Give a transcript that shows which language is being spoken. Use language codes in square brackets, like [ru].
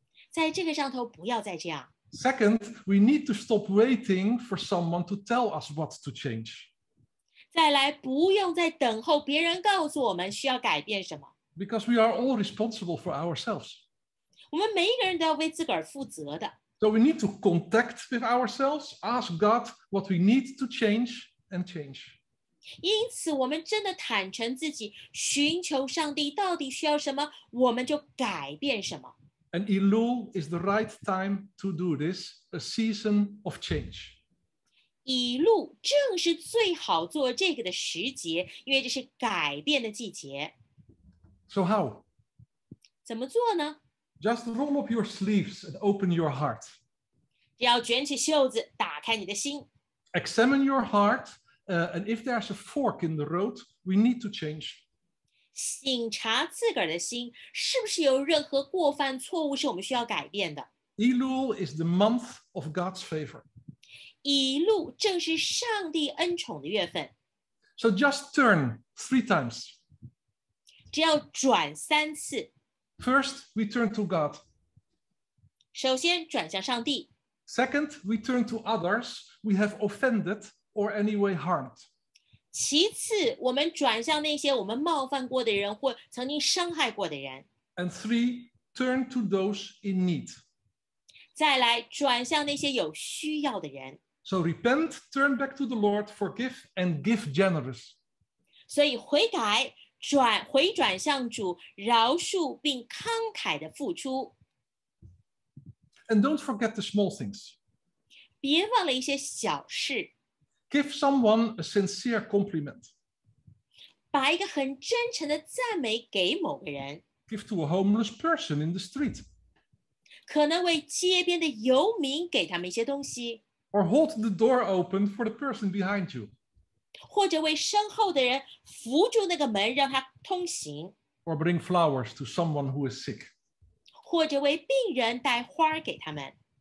[zh] 在这个上头不要再这样。 [en] Second, we need to stop waiting for someone to tell us what to change. [zh] 再来，不用再等候别人告诉我们需要改变什么。 [en] Because we are all responsible for ourselves. [zh] 我们每一个人都要为自个儿负责的。 [en] So we need to contact with ourselves, ask God what we need to change and change. [zh] 因此我们真的坦诚自己，寻求上帝到底需要什么，我们就改变什么。 [en] And Elul is the right time to do this, a season of change. [zh] Elul 正是最好做这个的时节，因为这是改变的季节。 [en] So how? [zh] 怎么做呢? [en] Just roll up your sleeves and open your heart. [zh] 只要卷起袖子，打开你的心。 [en] Examine your heart. And if there's a fork in the road, we need to change. [zh] 醒察自个儿的心，是不是有任何过犯错误是我们需要改变的？ [en] Elul is the month of God's favor. [zh] Elul 正是上帝恩宠的月份。 [en] So just turn three times. [zh] 只要转三次。 [en] First, we turn to God. [zh] 首先转向上帝。 [en] Second, we turn to others we have offended or anyway harmed. [zh] 其次，我们转向那些我们冒犯过的人或曾经伤害过的人。 [en] And three, turn to those in need. [zh] 再来转向那些有需要的人。 [en] So repent, turn back to the Lord, forgive, and give generous. [zh] 所以悔改, 回转向主, 饶恕, 并慷慨地付出。 [en] And don't forget the small things. [zh] 别忘了一些小事。 [en] Give someone a sincere compliment. [zh] 把一个很真诚的赞美给某个人。 [en] Give to a homeless person in the street. [zh] 可能为街边的游民给他们一些东西。 [en] Or hold the door open for the person behind you. [zh] 或者为身后的人扶住那个门，让他通行。 [en] Or bring flowers to someone who is sick. [zh] 或者为病人带花给他们。